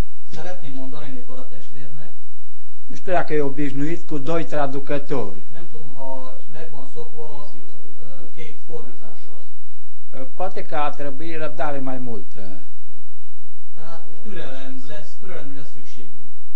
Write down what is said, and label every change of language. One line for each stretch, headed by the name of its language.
Hungarian: Szeretném mondani Nicola testvérnek.
Romanian: Nu știu dacă e obișnuit cu doi traducători.
Hungarian: Nem tudom, ha meg van szokva két fordítással.
Romanian: Poate că a trebuit răbdare mai mult.
Hungarian: Tehát türelem lesz szükségünk.